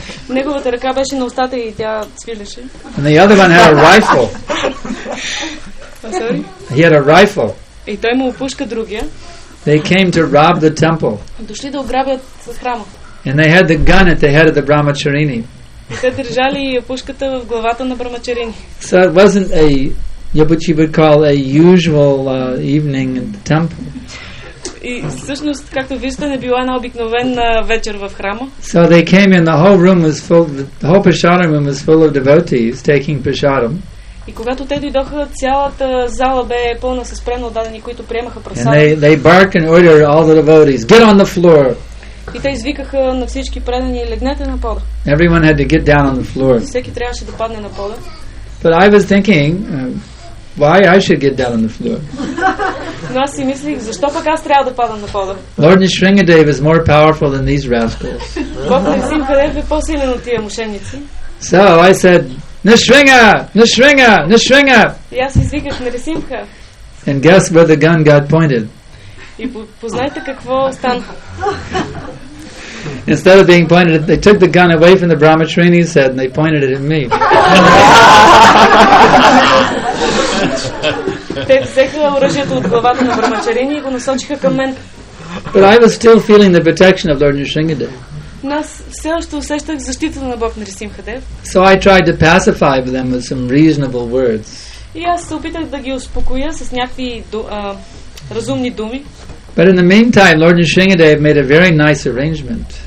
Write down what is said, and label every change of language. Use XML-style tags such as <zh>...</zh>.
<bg>Неговата ръка беше на устата и тя свилеше.</bg> <en>And the other one had a rifle. Sorry? He had a rifle.</en> <bg>И той му пушка другия.</bg> <en>They came to rob the temple.</en> <bg>Дошли да ограбят храма.</bg> <en>And they had the gun at the head of the Brahmacharini.</en> <bg>Те държали пушката в главата на брамачарини.</bg> <en>So it wasn't a, what you would call a usual evening in the temple.</en> <bg>И всъщност, както виждате, не била една обикновена вечер в храма.</bg> <en>So they came in, the whole room was full, the whole prasadam room was full of devotees taking prasadam.</en> <bg>И когато те дойдоха, цялата зала бе пълна с преноотдадени, които приемаха прасадам.</bg> <en>And they bark and order all the devotees, get on the floor.</en> <bg>И те извикаха на всички предани, легнете на пода.</bg> <en>Everyone had to get down on the floor.</en> <bg>Всеки трябваше да падне на пода.</bg> <en>But I was thinking, why I should get down on the floor?</en> <bg>Но аз си мислих, защо пък аз трябва да падам на пода?</bg> <en>Lord Nrsimhadev is more powerful than these rascals.</en> <bg>Бог Нрсимхадев е по-силен от тия мошенници.</bg> <en>So I said, Nrsimha, Nrsimha, Nrsimha.</en> <bg>И аз извиках, Нрсимха.</bg> <en>And guess where the gun got pointed?</en> <bg>И познайте какво стана.</bg> <en>Instead of being pointed at, they took the gun away from the Brahmacharini said and they pointed it at me.</en> <bg>Те взеха оръжието от главата на Брамачарини и го насочиха към мен.</bg> <en>But I was still feeling the protection of Lord Nrsimhadev.</en> <bg>Но аз все още усещах защитата на Бог Нрсимхадев.</bg> <en>So I tried to pacify them with some reasonable words.</en> <bg>И аз се опитах да ги успокоя с някакви разумни думи.</bg> <en>But in the meantime, Lord Nrsimhadev made a very nice arrangement.</en>